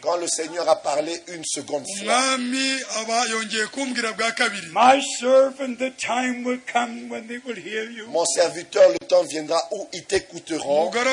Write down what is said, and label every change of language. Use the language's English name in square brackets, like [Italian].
[French] Quand le Seigneur a parlé une seconde fois. [English] My servant, the time will come when they will hear you. [French] Mon serviteur, le temps viendra où ils t'écouteront.